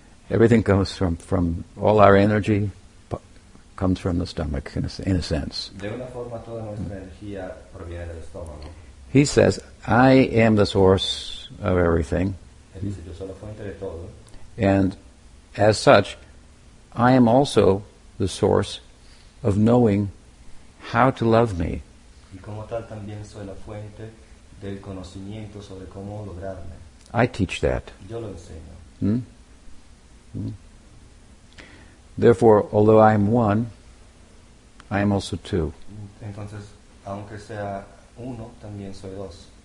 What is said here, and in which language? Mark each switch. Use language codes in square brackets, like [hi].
[en] Everything comes from all our energy comes from the stomach, in a sense. [es] De una forma, toda nuestra energía proviene del estómago. [en] He says, I am the source of everything. [es] Él dice, yo soy la fuente de todo. [en] And as such, I am also the source of knowing how to love me. [es] Y como tal, también soy la fuente del conocimiento sobre cómo lograrme. [en] I teach that. [es] Yo lo enseño. [en] Therefore, although I am one, I am also two. [es] Entonces, aunque sea uno, también soy dos.